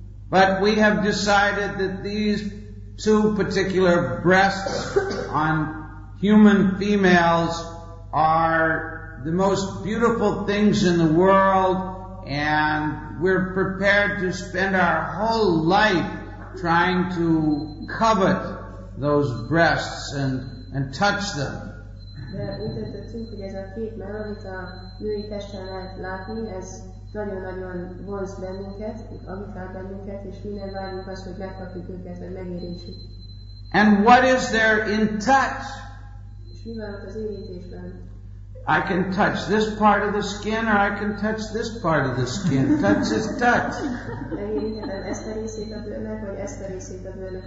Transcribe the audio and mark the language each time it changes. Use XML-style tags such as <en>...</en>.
<en>But we have decided that these two particular breasts on human females are the most beautiful things in the world, and we're prepared to spend our whole life trying to covet those breasts and touch them.</en> <hu>De úgy döntöttünk, hogy ez a két mell, amit a női testen lehet látni, ez nagyon-nagyon vonz bennünket, amitál bennünket, és minden vágyunk az, hogy megkapjuk őket, vagy megérintsük.</hu> <en>And what is there in touch?</en> <hu>És mi van ott az érintésben?</hu> <en>I can touch this part of the skin, or I can touch this part of the skin. Touch is touch.</en> <hu>Megérintetem ezt a részét a bőrnek, vagy ezt a részét a bőrnek.</hu>